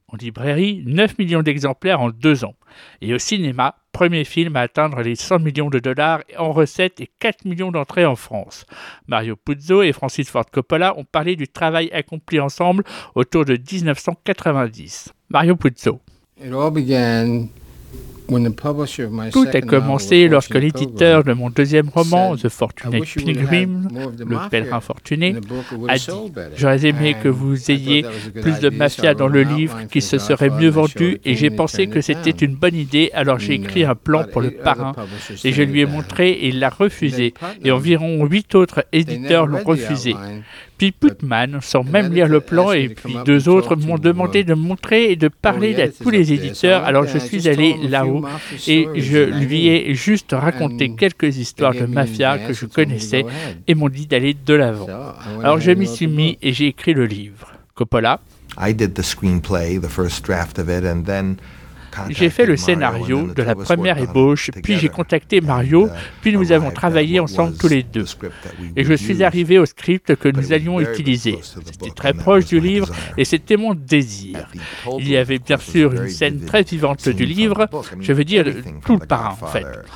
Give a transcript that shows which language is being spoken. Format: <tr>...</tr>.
<fr>En librairie, 9 millions d'exemplaires en 2 ans. Et au cinéma, premier film à atteindre les 100 millions de dollars en recettes et 4 millions d'entrées en France. Mario Puzo et Francis Ford Coppola ont parlé du travail accompli ensemble autour de 1990. Mario Puzo.</fr> <en>It all began when the publisher of my second</en> <fr>Tout a commencé lorsque l'éditeur de mon deuxième roman, The Fortunate Pilgrim, Le Pèlerin Fortuné, a dit « J'aurais aimé que vous ayez plus de mafia dans le livre qui se serait mieux vendu et j'ai pensé que c'était une bonne idée, alors j'ai écrit un plan pour Le Parrain et je lui ai montré et il l'a refusé et environ 8 autres éditeurs l'ont refusé. » Puis Putman, sans même lire le plan, et puis deux autres m'ont demandé de montrer et de parler à tous les éditeurs. Alors je suis allé là-haut et je lui ai juste raconté quelques histoires de mafia que je connaissais et m'ont dit d'aller de l'avant. Alors je m'y suis mis et j'ai écrit le livre. Coppola.</fr> <en>I did the screenplay, the first draft of it, and then.</en> <fr>J'ai fait le scénario de la première ébauche, puis j'ai contacté Mario, puis nous avons travaillé ensemble tous les deux. Et je suis arrivé au script que nous allions utiliser. C'était très proche du livre et c'était mon désir. Il y avait bien sûr une scène très vivante du livre, je veux dire tout le Parrain en fait.</fr>